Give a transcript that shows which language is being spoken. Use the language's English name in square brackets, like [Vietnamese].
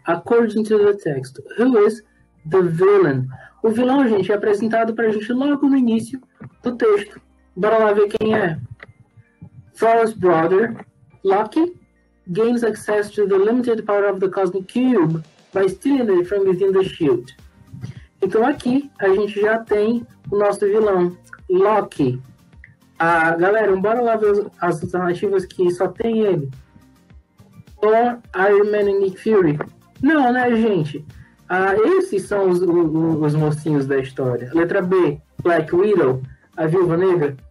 [English] According to the text, who is the villain? [Portuguese] O vilão, gente, é apresentado para a gente logo no início do texto. Bora lá ver quem é. [English] Thor's brother, Loki, gains access to the limited power of the cosmic cube by stealing it from within the shield. [Portuguese] Então aqui a gente já tem o nosso vilão, Loki. Ah, galera, bora lá ver as alternativas que só tem ele. Thor, Iron Man e Nick Fury. Não, né, gente? Esses são os mocinhos da história. Letra B, Black Widow, a Viúva Negra?